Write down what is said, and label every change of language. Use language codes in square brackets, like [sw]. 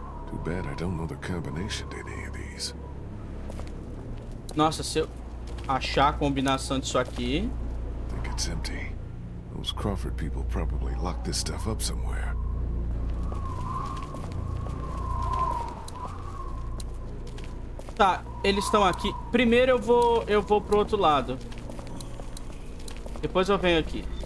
[en] Too bad I don't know the combination to any of these. [pt] Nossa, se eu achar a combinação disso aqui. [en] Think it's empty. Those Crawford people probably locked this stuff up somewhere. [pt] Tá, eles estão aqui. Primeiro eu vou pro outro lado. Depois eu venho aqui.